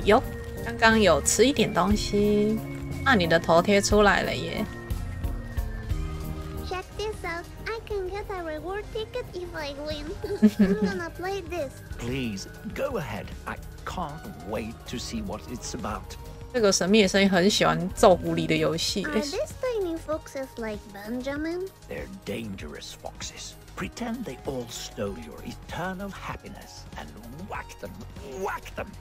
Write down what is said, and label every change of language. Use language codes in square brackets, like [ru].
[zh] 有，刚刚有吃一点东西。啊，你的头贴出来了耶。 [en] Check this out. I can get a reward ticket if I win. I'm gonna play this. Please go ahead. I can't wait to see what it's about. [zh] 这个神秘的声音很喜欢揍狐狸的游戏。 [en] Are these tiny foxes like Benjamin? They're dangerous foxes. Pretend they all stole your eternal happiness and whack them, whack them.